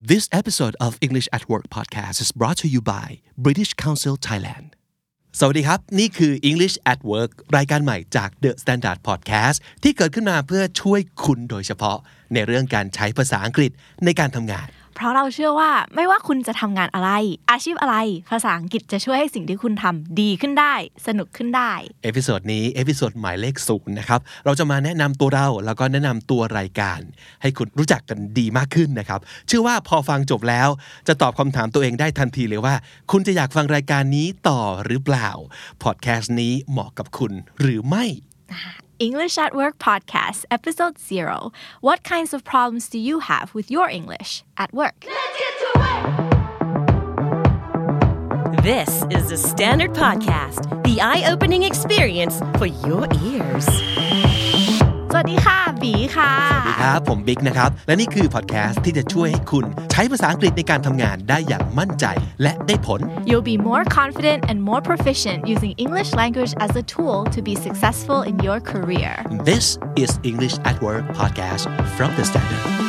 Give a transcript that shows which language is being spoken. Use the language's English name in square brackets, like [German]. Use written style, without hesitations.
[English] This episode of English at Work podcast is brought to you by British Council Thailand. [Thai] สวัสดีครับนี่คือ English at Work รายการใหม่จาก The Standard Podcast ที่เกิดขึ้นมาเพื่อช่วยคุณโดยเฉพาะในเรื่องการใช้ภาษาอังกฤษในการทำงาน เพราะเราเชื่อว่าไม่ว่าคุณจะทำงานอะไรอาชีพอะไรภาษาอังกฤษจะช่วยให้สิ่งที่คุณทำดีขึ้นได้สนุกขึ้นได้เอพิโซดนี้เอพิโซดหมายเลข0นะครับเราจะมาแนะนำตัวเราแล้วก็แนะนำตัวรายการให้คุณรู้จักกันดีมากขึ้นนะครับเชื่อว่าพอฟังจบแล้วจะตอบคำถามตัวเองได้ทันทีเลยว่าคุณจะอยากฟังรายการนี้ต่อหรือเปล่าพอดแคสต์นี้เหมาะกับคุณหรือไม่ [English] English at Work podcast, episode 0. What kinds of problems do you have with your English at work? Let's get to work! This is the Standard Podcast, the eye-opening experience for your ears. [Thai] สวัสดีค่ะบีค่ะ สวัสดีครับผมบิ๊กนะครับและนี่คือพอดแคสต์ที่จะช่วยให้คุณใช้ภาษาอังกฤษในการทำงานได้อย่างมั่นใจและได้ผล [English] You'll be more confident and more proficient using English language as a tool to be successful in your career. This is English at Work podcast from The Standard.